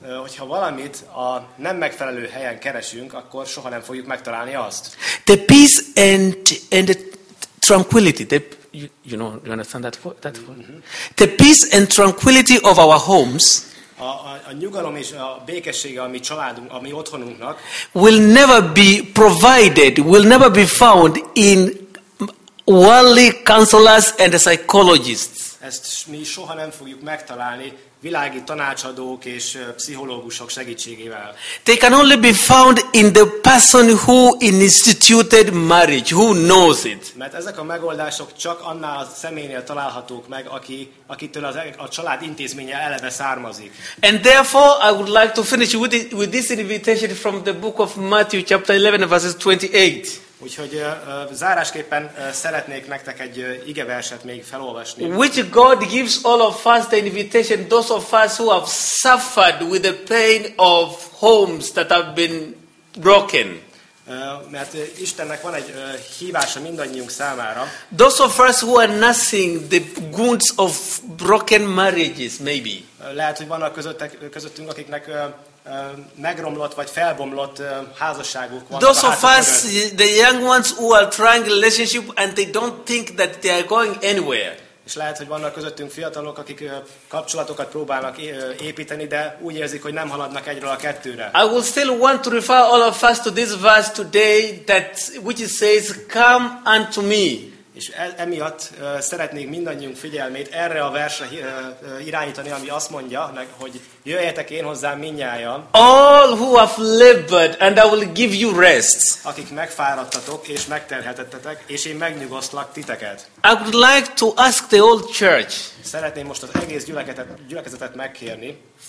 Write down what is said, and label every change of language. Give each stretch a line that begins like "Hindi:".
Hungarian: Hogyha valamit a nem megfelelő helyen keresünk, akkor soha nem fogjuk megtalálni azt.
English: The peace and the tranquility, you understand that word? The peace and tranquility of our homes.
Hungarian: A nyugalom és a békessége a mi családunk, a mi otthonunknak.
English: Will never be provided, will never be found in worldly counselors and psychologists.
Hungarian: Ezt mi soha nem fogjuk megtalálni világi tanácsadók és pszichológusok segítségével.
English: They can only be found in the person who instituted marriage, who knows it.
Hungarian: Mert ezek a megoldások csak annál a személynél találhatók meg, akitől a család intézménye eleve származik.
English: And therefore I would like to finish with this invitation from the book of Matthew chapter 11 verses 28.
Hungarian: Úgyhogy zárásképpen szeretnék nektek egy igeverset még felolvasni.
English: Which God gives all of us the invitation, those of us who have suffered with the pain of homes that have been broken.
Hungarian: Mert Istennek van egy hívása mindannyiunk számára.
English: Those of us who are nursing the wounds of broken marriages, maybe.
Hungarian: Lehet, hogy vannak közöttünk, akiknek megromlott vagy felbomlott házasságuk van.
English: Those of us, the young ones who are trying relationship and they don't think that they are going anywhere.
Hungarian: És lehet, hogy vannak közöttünk fiatalok, akik kapcsolatokat próbálnak építeni, de úgy érzik, hogy nem haladnak egyről a kettőre.
English: I will still want to refer all of us to this verse today that which says, "Come unto me."
Hungarian: És emiatt szeretnék mindannyiunk figyelmét erre a versre irányítani, ami azt mondja, hogy jöjjetek én hozzám mindnyájan.
English: All who have labored and I will give you rest.
Hungarian: Akik megfáradtatok és megterhetettetek, és én megnyugosztlak titeket.
English: I would like to ask the whole church.
Hungarian: Szeretném most az egész gyülekezetet megkérni.